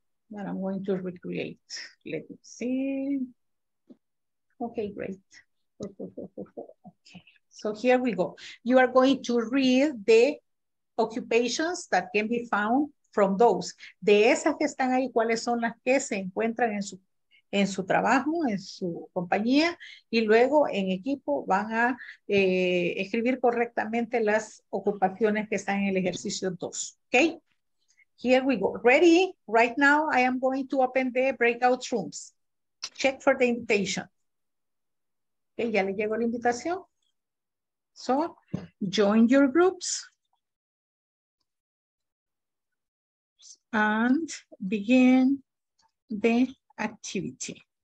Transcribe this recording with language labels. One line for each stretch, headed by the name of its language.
English: But I'm going to recreate. Let me see. Okay, great. Okay, so here we go. You are going to read the occupations that can be found from those.
Spanish: De esas que están ahí, ¿cuáles son las que se encuentran en su trabajo, en su compañía? Y luego en equipo van a escribir correctamente las ocupaciones que están en el ejercicio 2.
English: Okay? Here we go. Ready? Right now, I am going to open the breakout rooms. Check for the invitation. Okay,
Spanish: ya le llegó la invitación.
English: So, join your groups and begin the activity.